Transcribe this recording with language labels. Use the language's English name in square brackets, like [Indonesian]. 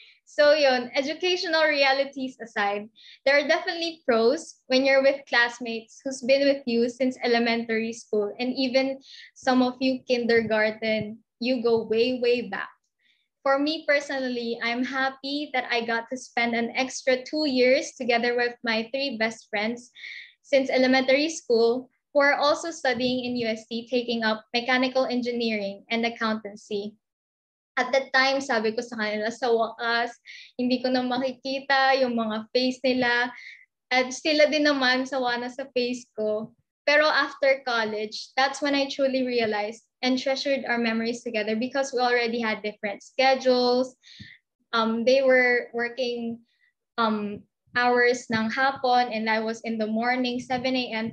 [English] So yun, educational realities aside, there are definitely pros when you're with classmates who's been with you since elementary school, and even some of you kindergarten, you go way, way back. For me personally, I'm happy that I got to spend an extra 2 years together with my 3 best friends since elementary school, who are also studying in USD, taking up mechanical engineering and accountancy. [Filipino] At that time, sabi ko sa kanila, sa wakas, hindi ko na makikita yung mga face nila. At sila din naman, sawa na sa face ko. [English] Pero after college, that's when I truly realized and treasured our memories together, because we already had different schedules. They were working hours [Filipino] ng hapon, [English] and I was in the morning, 7 a.m.